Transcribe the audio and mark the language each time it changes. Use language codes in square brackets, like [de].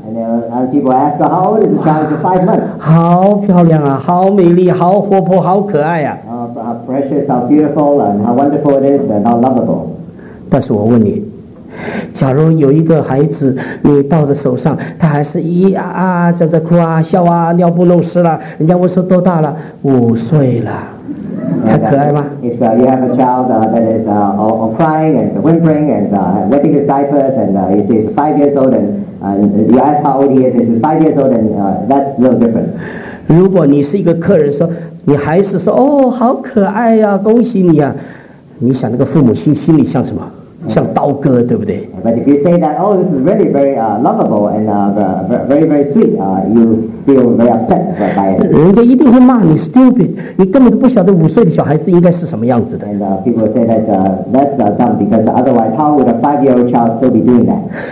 [en] And then other people ask, how old is the child? Five months. [zh] 好漂亮啊！好美丽，好活泼，好可爱啊！ [en] How precious, how beautiful, and how wonderful it is, and how lovable. [zh] 但是我问你，假如有一个孩子你抱在手上，他还是咿呀啊在这哭啊笑啊，尿布弄湿了，人家问说多大了？五岁了。还可爱吗？ [en] If you have a child that is all crying and whimpering and wetting his diapers and he's 5 years old and you ask how old he is, he's 5 years old and that's a little different. [zh] 如果你是一个客人说，你还是说哦好可爱呀、啊，恭喜你呀、啊，你想那个父母心里像什么？像刀割，对不对？ [en] But if you say that, oh, this is really very lovable and very very sweet, you feel very upset by it. [zh] 人家一定会骂你 stupid， 你根本都不晓得五岁的小孩子应该是什么样子的。 [en] And people say that that's dumb because otherwise, how would a five-year-old child still be doing that?